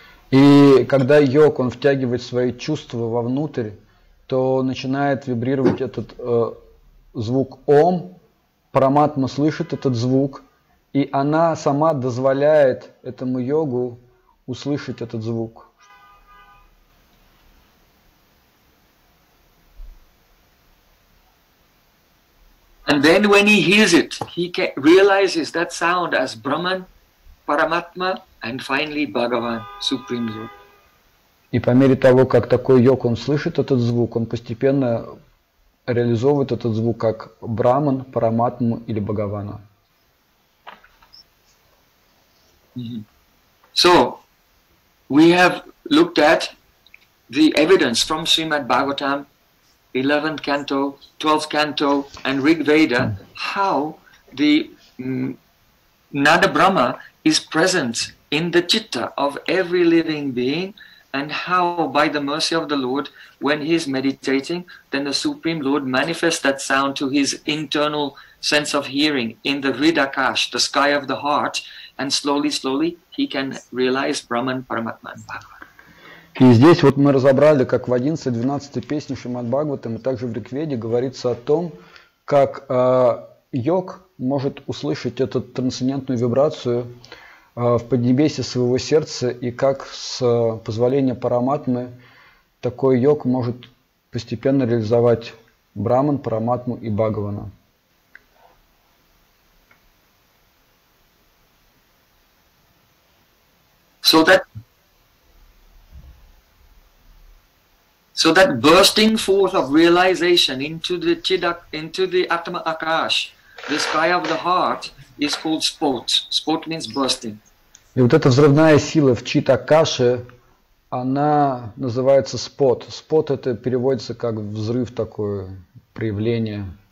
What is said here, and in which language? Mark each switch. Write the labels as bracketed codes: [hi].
[ru] И когда йог, он втягивает свои чувства вовнутрь, то начинает вибрировать этот звук Ом, Параматма слышит этот звук, и она сама дозволяет этому йогу услышать этот звук. [en] And then when he hears it, he realizes that sound as Brahman, Paramatma, and finally Bhagavan, Supreme Lord. [ru] И по мере того, как такой йог, он слышит этот звук, он постепенно реализовывает этот звук как Браман, Параматму или Бхагавана. [en] So, we have looked at the evidence from Srimad Bhagavatam, 11th canto, 12th canto, and Rig Veda, how the Nada Brahma is present in the chitta of every living being, and how by the mercy of the Lord, when he is meditating, then the Supreme Lord manifests that sound to his internal sense of hearing in the Hridakash, the sky of the heart, and slowly, slowly, he can realize Brahman, Paramatman, Bhagavan. [ru] И здесь вот мы разобрали, как в 11-й, 12-й песне Шримад Бхагаватам и также в Ригведе говорится о том, как йог может услышать эту трансцендентную вибрацию в поднебесье своего сердца и как с позволения Параматмы такой йог может постепенно реализовать Браман, Параматму и Бхагавана. [en] So that... So that bursting forth of realization into the chidak, into the atma akash, the sky of the heart, is called spot. Spot means bursting. [ru] И вот эта взрывная сила в читакаше, она называется спот. Спот это переводится как взрыв такое, проявление.